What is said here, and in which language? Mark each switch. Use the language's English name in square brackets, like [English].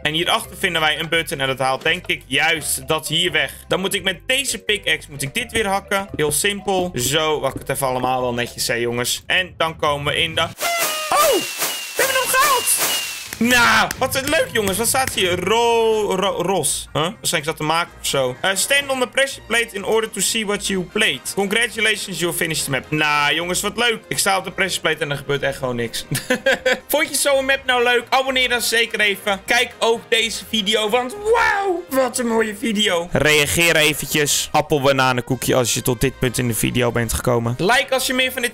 [Dutch] En hierachter vinden wij een button en dat haalt denk ik juist dat hier weg. Dan moet ik met deze pickaxe, moet ik dit weer hakken. Heel simpel. Zo, wacht, het even allemaal wel netjes, hè, jongens. En dan komen we in. Oh, we hebben hem gehaald. Nou, wat leuk jongens. Wat staat hier? Ros. Huh? Wat zijn ik dat te maken of zo? [English] Stand on the pressure plate in order to see what you played. Congratulations, you finished the map. [Dutch] Nou jongens, wat leuk. Ik sta op de pressure plate en er gebeurt echt gewoon niks. Vond je zo'n map nou leuk? Abonneer dan zeker even. Kijk ook deze video, want wauw, wat een mooie video. Reageer eventjes. Appel, bananenkoekje als je tot dit punt in de video bent gekomen. Like als je meer van dit...